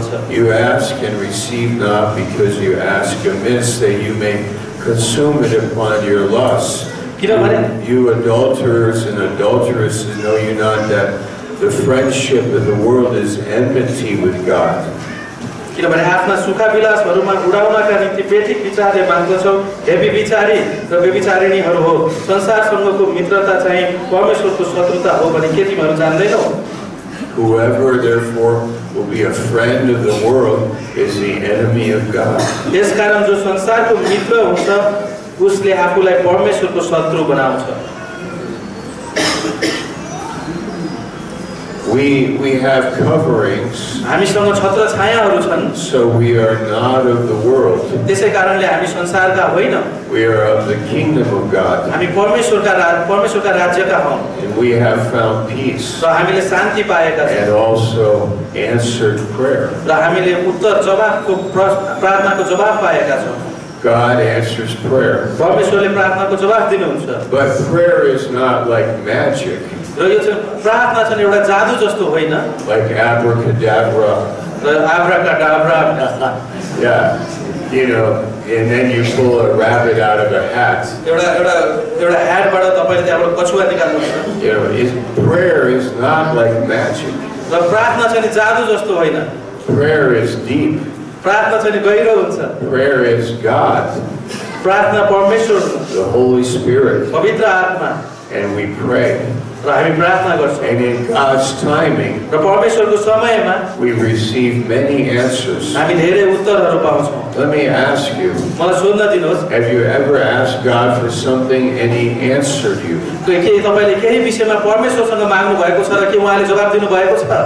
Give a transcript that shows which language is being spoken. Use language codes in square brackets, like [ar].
[en] You ask and receive not because you ask amiss that you may consume it upon your lusts. You adulterers and adulteresses, know you not that the friendship of the world is enmity with God? [ne] किनभने आफ्ना सुखा विलासहरूमा उडाउनका निम्ति व्यथित विचारले माग्दछौ. हे व्यभिचारी र व्यभिचारिणीहरू हो, संसारसँगको मित्रता चाहिँ परमेश्वरको शत्रुता हो भने के तिमीहरू जान्दैनौ? [en] Whoever therefore will be a friend of the world is the enemy of God. [ne] यस कारण जो संसारको मित्र हुन्छ उसले आफूलाई परमेश्वरको शत्रु बनाउँछ. [en] We have coverings. [ne] हामीसँग छत्र छायाहरू छन्. [en] So we are not of the world. [ne] त्यसै कारणले हामी संसारका होइन. [en] We are of the kingdom of God. [ne] हामी परमेश्वरका राज्यका हौ. [en] We have found peace. [ne] र हामीले शान्ति पाएका छौ. [en] And also answered prayer. [ne] र हामीले उत्तर जवाफको प्रार्थनाको जवाफ पाएका छौ. [en] God answers prayer. [ne] परमेश्वरले प्रार्थनाको जवाफ दिनुहुन्छ. [en] But prayer is not like magic. [ne] र यो चाहिँ प्रार्थना चाहिँ एउटा जादु जस्तो होइन. [en] Like abracadabra. Abracadabra. Yeah. You know, and then you pull a rabbit out of a hat. [ne] एउटा ह्याटबाट तपाईँले त्यहाँबाट कछुवा निकाल्नुहुन्छ. [en] You know, prayer is not like magic. [ne] र प्रार्थना चाहिँ जादु जस्तो होइन. [en] Prayer is deep. [ne] प्रार्थना चाहिँ गहिरो हुन्छ. [en] Prayer is God. [ne] प्रार्थना परमेश्वर. [en] The Holy Spirit. [ne] पवित्र आत्मा. [en] And we pray. [ne] र हामी प्रार्थना गर्छौँ. [en] And in God's timing. [ne] र परमेश्वरको समयमा. [en] We receive many answers. [ne] हामी धेरै उत्तरहरू पाउँछौँ. [en] Let me ask you. [ne] मलाई सोध्न दिनुहोस्. [en] Have you ever asked God for something and he answered you? [ne] के तपाईँले केही विषयमा परमेश्वरसँग माग्नु भएको छ र के उहाँले जवाफ दिनु भएको छ?